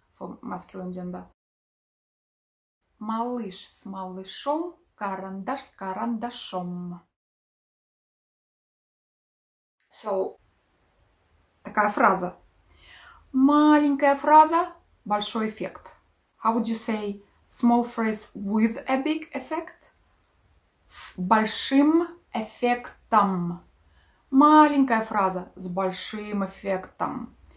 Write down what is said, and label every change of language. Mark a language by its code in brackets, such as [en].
[en] For masculine gender. [ru] Малыш с малышом. Карандаш с карандашом. So, такая фраза. Маленькая фраза, большой эффект. [en] How would you say small phrase with a big effect? [ru] С большим эффектом. Маленькая фраза с большим эффектом.